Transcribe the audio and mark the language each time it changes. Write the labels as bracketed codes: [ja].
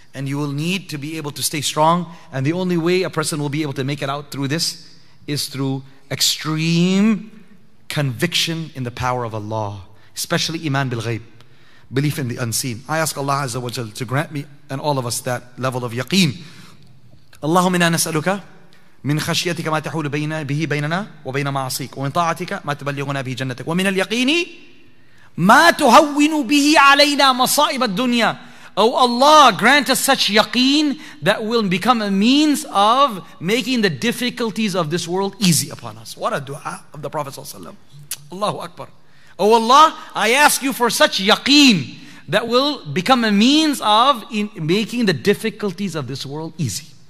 [en] And you will need to be able to stay strong. And the only way a person will be able to make it out through this is through extreme conviction in the power of Allah. Especially iman bil ghayb. Belief in the unseen. I ask Allah Azza wa Jal to grant me and all of us that level of yaqeen. [ar] اللهم إنا نسألك من خشيتك ما تحول بين به بيننا وبين معصيك ومن طاعتك ما تبلغنا به جنتك ومن اليقين ما تهون به علينا مصائب الدنيا. [en] Oh Allah, grant us such yaqeen that will become a means of making the difficulties of this world easy upon us. What a dua of the Prophet sallallahu alaihi wasallam. Allahu Akbar. Oh Allah, I ask you for such yaqeen that will become a means of in making the difficulties of this world easy.